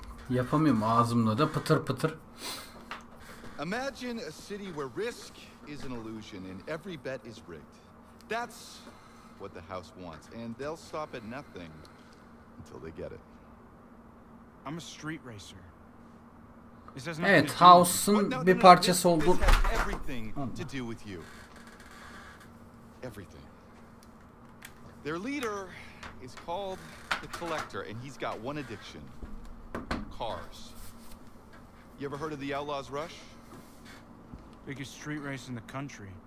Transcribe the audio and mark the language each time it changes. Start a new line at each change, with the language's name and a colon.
Turkish: Yapamıyorum ağzımla da pıtır pıtır.
English: Imagine a city where risk is an illusion and every bet is rigged. That's what the house wants and they'll stop at nothing until they get it. I'm a street racer.
Turkish: Evet, House'un bir parçası oldu.
English: Everything to do with you. Everything. Their leader is called the collector and he's got one addiction. Cars. You ever heard of the Outlaws Rush? Biggest street race in the country.